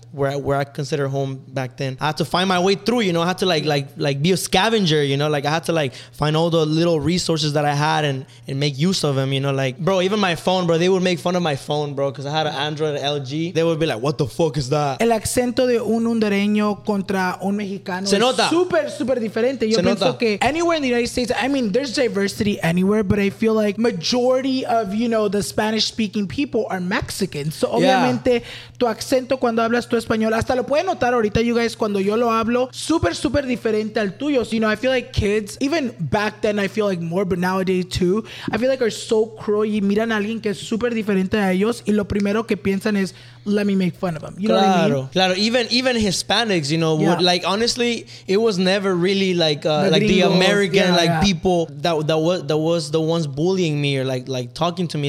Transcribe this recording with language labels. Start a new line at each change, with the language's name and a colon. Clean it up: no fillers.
English: Where I consider home back then. I had to find my way through, you know. I had to, like be a scavenger, you know. Like, I had to, like, find all the little resources that I had and make use of them, you know. Like, bro, even my phone, bro, they would make fun of my phone, bro, because I had an Android LG. They would be like, what the fuck is that?
Spanish: El acento de un hondureño contra un mexicano. Se nota. Es super, super diferente. Yo pienso que
English: anywhere in the United States, I mean, there's diversity anywhere, but I feel like majority of, you know, the Spanish-speaking people are Mexican.
Spanish: So, obviamente, tu acento cuando hablas español, hasta lo pueden notar ahorita,
English: you guys,
Spanish: cuando yo lo hablo, super, super diferente al tuyo.
English: So, you know, I feel like kids, even back then, I feel like more, but nowadays too, I feel like are so cruel.
Spanish: Y miran a alguien que es super diferente a ellos y lo primero que piensan es,
English: let me make fun of them. You know what I mean? Claro, even Hispanics, you know, would, like, honestly, it was never really like the American people that was the ones bullying me or like talking to me.